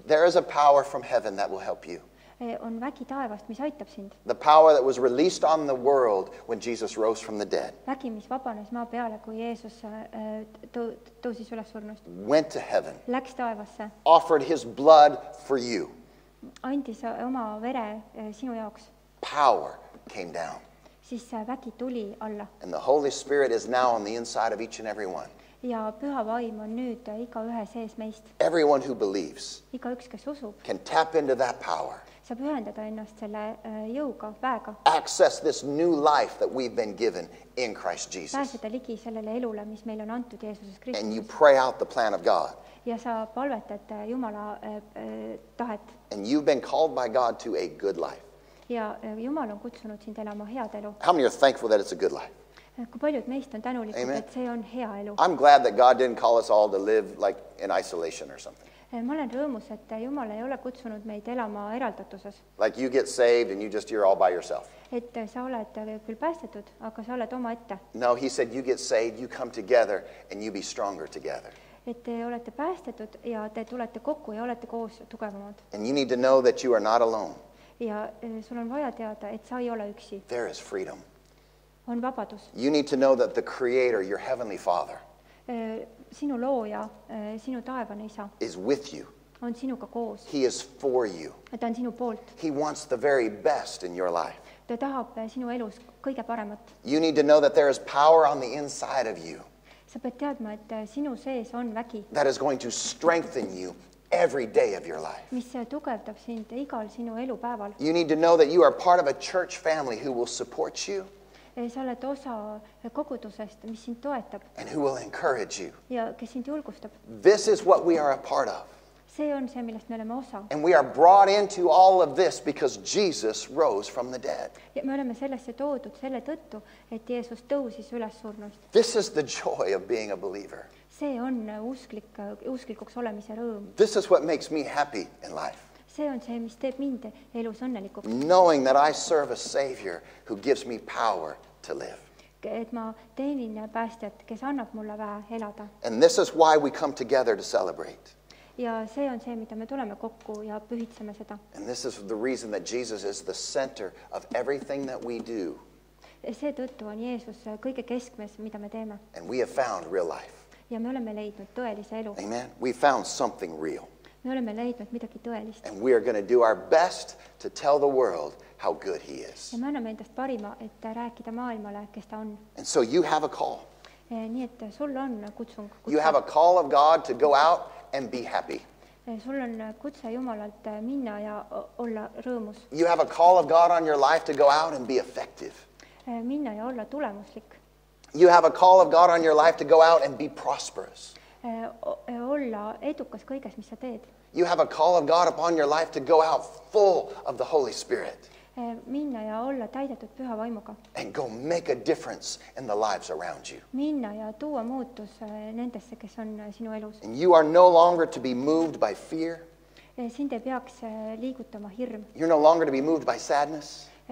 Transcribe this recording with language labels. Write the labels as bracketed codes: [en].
[en] There is a power from heaven that will help you. [et] On vägi taevast, mis aitab sind. [en] The power that was released on the world when Jesus rose from the dead. [et] Vägi, mis vabanes maa peale, kui Jeesus tõusis üles surnust. [en] Went to heaven. [et] Läks taevasse. [en] Offered his blood for you. [et] Andis oma vere sinu jaoks. [en] Power came down. [et] Siis vägi tuli alla. [en] And the Holy Spirit is now on the inside of each and every one. [et] Ja püha vaim on nüüd iga ühe sees meist. [en] Everyone who believes [et] iga üks, kes usub, [en] can tap into that power. [et] sa pühendada ennast selle jõuga, väega. [en] Access this new life that we've been given in Christ Jesus. [et] Pääseda ligi sellele elule, mis meil on antud Jeesuses Kristuses. [en] And you pray out the plan of God. [et] Ja sa palvetad Jumala tahet. [en] And you've been called by God to a good life. [et] Ja Jumal on kutsunud sind elama head elu. [en] How many are thankful that it's a good life? [et] Kui paljud meist on tänulikud, et see on hea elu. [en] I'm glad that God didn't call us all to live like in isolation or something. [et] Ma olen rõõmus, et Jumal ei ole kutsunud meid elama eraldatuses. [en] Like you get saved and you just you're all by yourself. [et] Et sa oled küll päästetud, aga sa oled oma ette. [en] No, he said you get saved, you come together and you be stronger together. [et] Et te olete päästetud ja te tulete kokku ja olete koos tugevamad. [en] And you need to know that you are not alone. [et] Ja sul on vaja teada, et sa ei ole üksi. [en] There is freedom. [et] On vabadus. [en] You need to know that the Creator, your Heavenly Father, [et] sinu looja, sinu taevane isa, [en] is with you. [et] On sinuga koos. [en] He is for you. [et] Ta on sinu poolt. [en] He wants the very best in your life. [et] Ta tahab sinu elus kõige paremat. [en] You need to know that there is power on the inside of you. [et] Sa pead teadma, et sinu sees on vägi. [en] That is going to strengthen you every day of your life. [et] Mis tugevdab sind igal sinu elu päeval. [en] You need to know that you are part of a church family who will support you. [et] Sa oled osa kogudusest, mis sind toetab. [en] And who will encourage you. [et] Ja kes sind julgustab. [en] This is what we are a part of. [et] See on see, millest me oleme osa. [en] And we are brought into all of this because Jesus rose from the dead. [et] Ja me oleme sellesse toodud selle tõttu, et Jeesus tõusis üles surnust. [en] This is the joy of being a believer. [et] See on usklikuks olemise rõõm. [en] This is what makes me happy in life. [et] See on see, mis teeb mind elus õnnelikuks. [en] Knowing that I serve a Savior who gives me power to live. [et] Et ma teenin päästjat, kes annab mulle vähe elada. [en] And this is why we come together to celebrate. [et] Ja see on see, mida me tuleme kokku ja pühitseme seda. [en] And this is the reason that Jesus is the center of everything that we do. [et] See tõttu on Jeesus kõige keskmes, mida me teeme. [en] And we have found real life. [et] Ja me oleme leidnud tõelise elu. [en] Amen. We found something real. [et] Me oleme leidnud midagi tõelist. [en] And we are going to do our best to tell the world how good he is. [et] Ja me anname endast parima, et rääkida maailmale, kes ta on. [en] And so you have a call. [et] Ja nii et sul on kutsung. [en] You have a call of God to go out and be happy. [et] Sul on kutse Jumalalt minna ja olla rõõmus. [en] You have a call of God on your life to go out and be effective. [et] Minna ja olla tulemuslik. [en] You have a call of God on your life to go out and be prosperous. [et] Olla edukas kõiges, mis sa teed. [en] You have a call of God upon your life to go out full of the Holy Spirit. [et] Minna ja olla täidetud püha vaimuga. [en] And go make a difference in the lives around you. [et] Minna ja tuua muutus nendesse, kes on sinu elus. [en] And you are no longer to be moved by fear. [et] Sind ei peaks liigutama hirm. [en] You're no longer to be moved by sadness.